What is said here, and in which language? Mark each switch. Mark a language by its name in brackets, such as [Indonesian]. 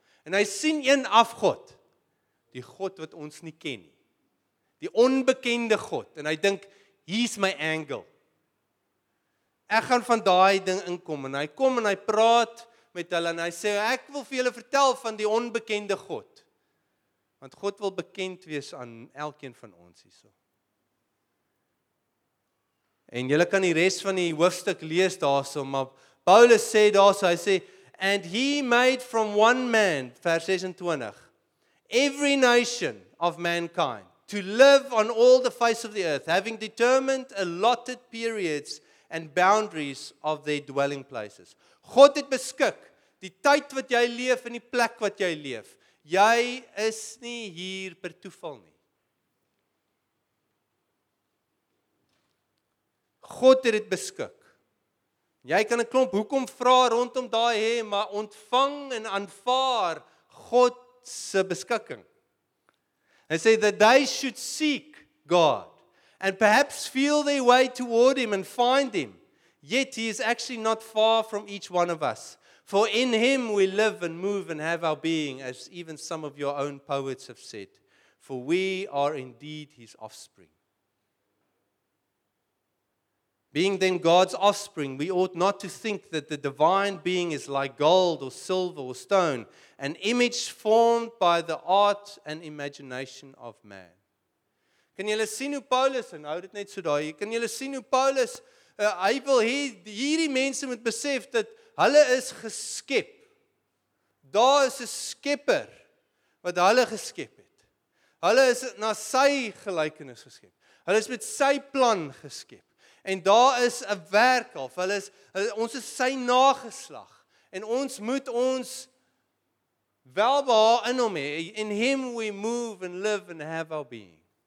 [Afrikaans] En hy sien een afgod, die God wat ons nie ken nie, die onbekende God, en hy dink, hier's my angle. Ek gaan van daai ding inkom en hy kom en hy praat met hulle en hy sê, ek wil vir julle vertel van die onbekende God. Want God wil bekend wees aan elkeen van ons hierso. En julle kan die res van die hoofstuk lees daarso, maar Paulus sê daarso, hy sê, [English] and he made from one man, vers 26, every nation of mankind to live on all the face of the earth, having determined allotted periods and boundaries of their dwelling places. [Afrikaans] God het beskik, die tyd wat jy leef en die plek wat jy leef, jy is nie hier per toeval nie. God het dit beskik. Jy kan 'n klomp hoekom vra rondom daai hê, maar ontvang en aanvaar God se beskikking. Hy sê [English] that they should seek God and perhaps feel their way toward him and find him. Yet he is actually not far from each one of us. For in him we live and move and have our being, as even some of your own poets have said. For we are indeed his offspring. Being then God's offspring, we ought not to think that the divine being is like gold or silver or stone, an image formed by the art and imagination of man. [Afrikaans] Kan julle sien hoe Paulus, en hou dit net so daar, kan julle sien hoe Paulus, hy wil hierdie mense moet besef dat hulle is geskep. Daar is 'n skepper wat hulle geskep het. Hulle is na sy gelykenis geskep. Hulle is met sy plan geskep. En daar is 'n werk of ons is sy nageslag. En ons moet ons welbehaag in hom hê. [English] In him we move and live and have our being.